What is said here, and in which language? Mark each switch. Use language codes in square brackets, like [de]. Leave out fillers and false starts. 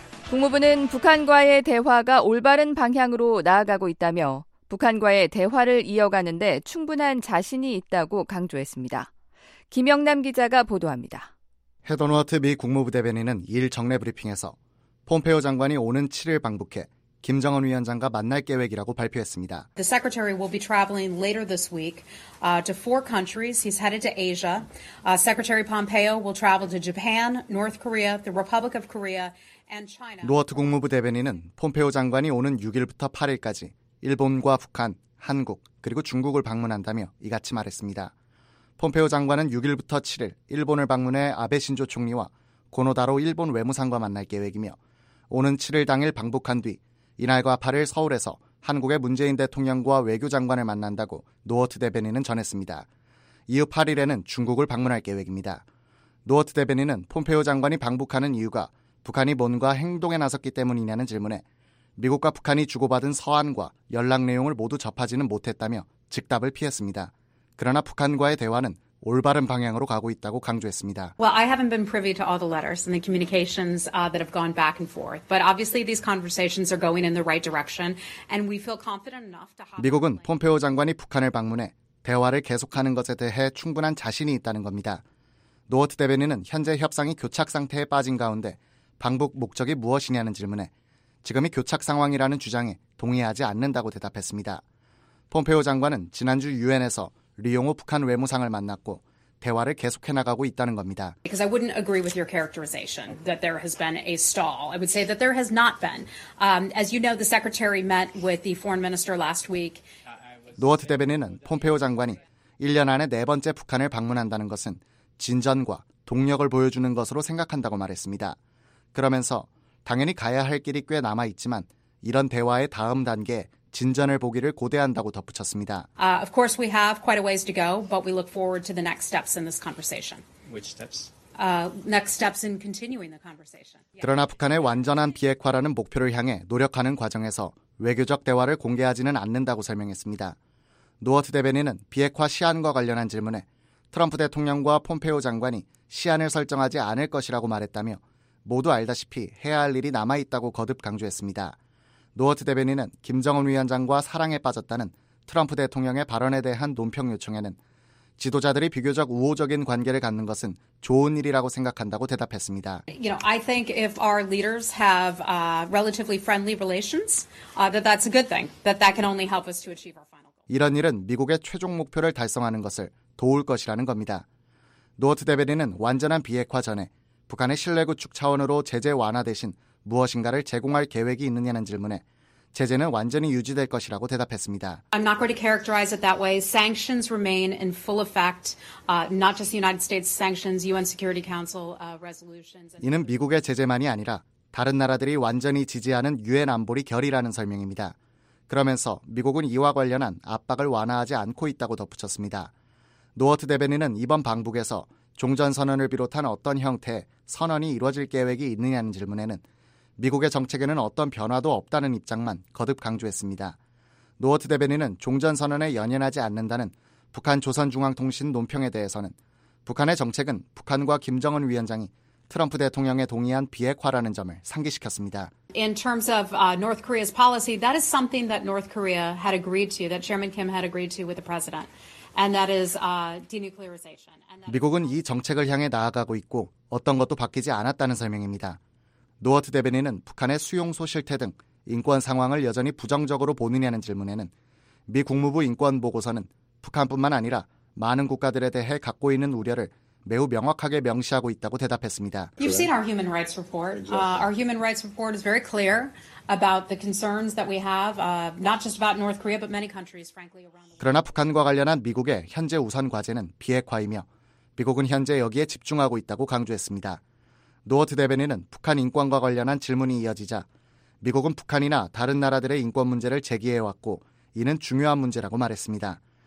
[ko] 국무부는 북한과의 대화가 올바른 방향으로 나아가고 있다며 북한과의 대화를 이어가는 데 충분한 자신이 있다고 강조했습니다. 김영남 기자가 보도합니다. 헤던 워트 미 국무부 대변인은 2일 정례 브리핑에서 폼페오 장관이 오는 7일 방북해 김정은 위원장과 만날 계획이라고 발표했습니다. [en] The secretary will be traveling later this week to four countries. He's headed to Asia. Secretary Pompeo will travel to Japan, North Korea, the Republic of Korea, and China. [ko] 노어트 국무부 대변인은 폼페오 장관이 오는 6일부터 8일까지 일본과 북한, 한국 그리고 중국을 방문한다며 이같이 말했습니다. 폼페오 장관은 6일부터 7일 일본을 방문해 아베 신조 총리와 고노다로 일본 외무상과 만날 계획이며 오는 7일 당일 방북한 뒤 이날과 8일 서울에서 한국의 문재인 대통령과 외교장관을 만난다고 노어트 대변인은 전했습니다. 이후 8일에는 중국을 방문할 계획입니다. 노어트 대변인은 폼페오 장관이 방북하는 이유가 북한이 뭔가 행동에 나섰기 때문이냐는 질문에 미국과 북한이 주고받은 서한과 연락 내용을 모두 접하지는 못했다며 즉답을 피했습니다. 그러나 북한과의 대화는 올바른 방향으로 가고 있다고 강조했습니다. [en] Well, I haven't been privy to all the letters and the communications that have gone back and forth. But obviously these conversations are going in the right direction and we feel confident enough to [ko] 미국은 폼페오 장관이 북한을 방문해 대화를 계속하는 것에 대해 충분한 자신이 있다는 겁니다. 노어트 대변인은 현재 협상이 교착 상태에 빠진 가운데 방북 목적이 무엇이냐는 질문에 지금이 교착 상황이라는 주장에 동의하지 않는다고 대답했습니다. 폼페오 장관은 지난주 유엔에서 리용호 북한 외무상을 만났고 대화를 계속해 나가고 있다는 겁니다. [en] Because I wouldn't agree with your characterization that there has been a stall. I would say that there has not been. As you know, the secretary met with the foreign minister last week. [ko] 노어트 대변인은 폼페오 장관이 1년 안에 네 번째 북한을 방문한다는 것은 진전과 동력을 보여주는 것으로 생각한다고 말했습니다. 그러면서 당연히 가야 할 길이 꽤 남아 있지만 이런 대화의 다음 단계 진전을 보기를 고대한다고 덧붙였습니다. [en] Of course we have quite a ways to go, but we look forward to the next steps in this conversation. Which steps? Next steps in continuing the conversation. [ko] 그러나 북한의 완전한 비핵화라는 목표를 향해 노력하는 과정에서 외교적 대화를 공개하지는 않는다고 설명했습니다. 노어트 대변인은 비핵화 시한과 관련한 질문에 트럼프 대통령과 폼페오 장관이 시한을 설정하지 않을 것이라고 말했다며 모두 알다시피 해야 할 일이 남아 있다고 거듭 강조했습니다. 노어트 대변인은 김정은 위원장과 사랑에 빠졌다는 트럼프 대통령의 발언에 대한 논평 요청에는 지도자들이 비교적 우호적인 관계를 갖는 것은 좋은 일이라고 생각한다고 대답했습니다. [en] You know, I think if our leaders have relatively friendly relations, that's a good thing. That can only help us to achieve our final goal. [ko] 이런 일은 미국의 최종 목표를 달성하는 것을 도울 것이라는 겁니다. 노어트 대변인은 완전한 비핵화 전에 북한의 신뢰 구축 차원으로 제재 완화 대신 무엇인가를 제공할 계획이 있느냐는 질문에 제재는 완전히 유지될 것이라고 대답했습니다. [en] I'm not going to characterize it that way. Sanctions remain in full effect. Not just the United States sanctions, UN Security Council resolutions. [ko] 이는 미국의 제재만이 아니라 다른 나라들이 완전히 지지하는 유엔 안보리 결의라는 설명입니다. 그러면서 미국은 이와 관련한 압박을 완화하지 않고 있다고 덧붙였습니다. 노어트 대변인은 이번 방북에서 종전선언을 비롯한 어떤 형태의 선언이 이루어질 계획이 있느냐는 질문에는 미국의 정책에는 어떤 변화도 없다는 입장만 거듭 강조했습니다. 노어트 대변인은 종전선언에 연연하지 않는다는 북한 조선중앙통신 논평에 대해서는 북한의 정책은 북한과 김정은 위원장이 트럼프 대통령의 동의한 비핵화라는 점을 상기시켰습니다. [en] In terms of North Korea's policy, that is something that North Korea had agreed to, that Chairman Kim had agreed to with the president, and that is denuclearization. [ko] 미국은 이 정책을 향해 나아가고 있고 어떤 것도 바뀌지 않았다는 설명입니다. 노어트 대변인은 북한의 수용소 실태 등 인권 상황을 여전히 부정적으로 보느냐는 질문에는 미 국무부 인권 보고서는 북한뿐만 아니라 많은 국가들에 대해 갖고 있는 우려를 매우 명확하게 명시하고 있다고 대답했습니다. [en] You've seen our human rights report. Our human rights report is very clear about the concerns that we have, not just about North Korea, but many countries, frankly, around the world. [ko] 그러나 북한과 관련한 미국의 현재 우선 과제는 비핵화이며 미국은 현재 여기에 집중하고 있다고 강조했습니다. 노어트 대변인은 북한 인권과 관련한 질문이 이어지자 미국은 북한이나 다른 나라들의 인권 문제를 제기해왔고 이는 중요한 문제라고 말했습니다.